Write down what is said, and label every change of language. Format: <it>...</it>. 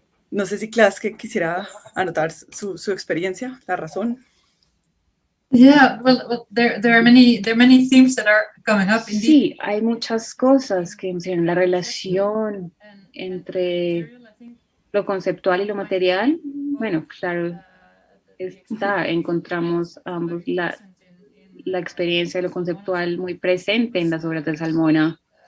<es>No sé si Klaas quisiera anotar su experiencia, la razón.</es> <en>Yeah, well, there are many themes that are coming up. Indeed.</en> <es>Sí, hay muchas cosas que mencionan la relación entre lo conceptual y lo material. Bueno, claro, está, encontramos ambos la experiencia de lo conceptual muy presente en las obras de Salmona.</es>